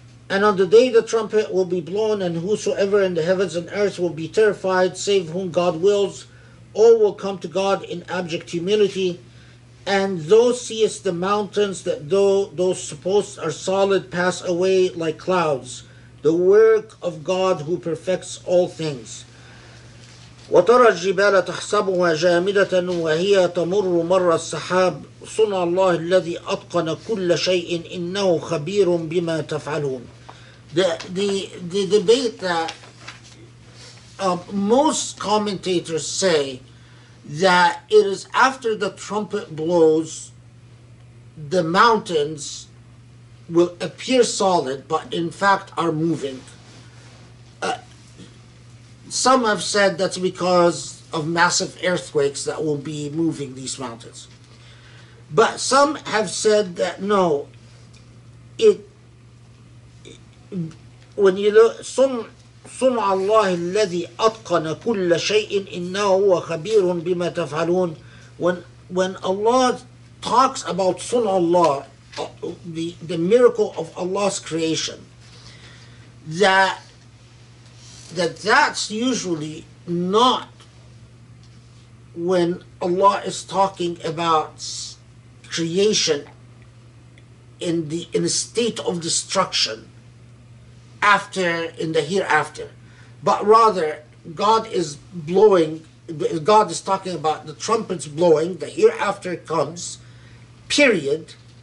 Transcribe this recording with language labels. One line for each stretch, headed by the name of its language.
English: And on the day the trumpet will be blown, and whosoever in the heavens and earth will be terrified, save whom God wills, all will come to God in abject humility. And thou seest the mountains that those supposed are solid pass away like clouds, the work of God who perfects all things.
Arabic: وترى الجبال تحسبها جامدة وهي تمر مر السحاب صنع الله الذي أتقن كل شيء إنه خبير بما تفعلون.
English: The debate that most commentators say that it is after the trumpet blows, the mountains will appear solid, but in fact are moving. Some have said that's because of massive earthquakes that will be moving these mountains. But some have said that no, when you look,
Arabic: صنع الله الذي أتقن كل شيء إنه هو خبير بما تفعلون.
English: When Allah talks about
Arabic: صنع الله,
English: the miracle of Allah's creation, that's usually not when Allah is talking about creation in a state of destruction after, in the hereafter, but rather God is talking about the trumpets blowing, the hereafter comes, period.